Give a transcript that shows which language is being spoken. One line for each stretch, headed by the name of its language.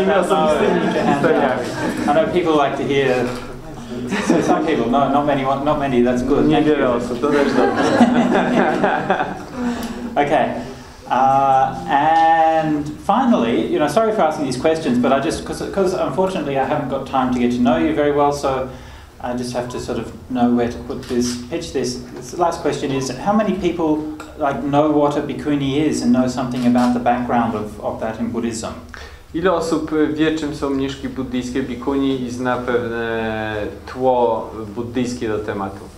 English: I know people like to hear. So some people, not many, that's good.
Polish: Nie wiele osób, to też dobrze.
English: Okay. And finally, you know, sorry for asking these questions, but I just, because unfortunately I haven't got time to get to know you very well, so I just have to sort of know where to put this, pitch this. The last question is, how many people like know what a bikuni is and know something about the background of that in Buddhism?
Polish: Ile osób wie, czym są mniszki buddyjskie, bikuni i zna pewne tło buddyjskie do tematu?